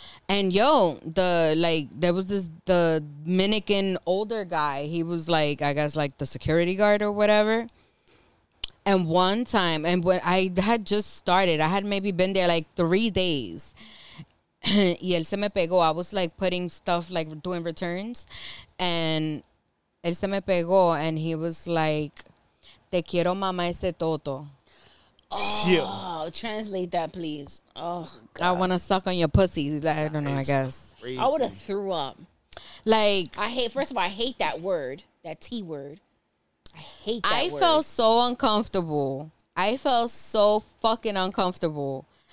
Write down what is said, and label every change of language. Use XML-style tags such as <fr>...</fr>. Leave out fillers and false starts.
<en>And yo, there was this Dominican older guy. He was like, I guess like the security guard or whatever. And one time, and when I had just started, I had maybe been there like 3 days.</en> <es>Y él se me pegó.</es> <en>I was like putting stuff, like doing returns.</en> <es>And él se me pegó</es> <en>and he was like,</en> <es>te quiero mama ese toto.</es> <en>Oh, yeah. Translate that, please. Oh, God. I want to suck on your pussy. Like, I don't know, I guess. Crazy. I would have threw up. Like, I hate that word, that T word. I hate that I word. I felt so uncomfortable. I felt so fucking uncomfortable.</en>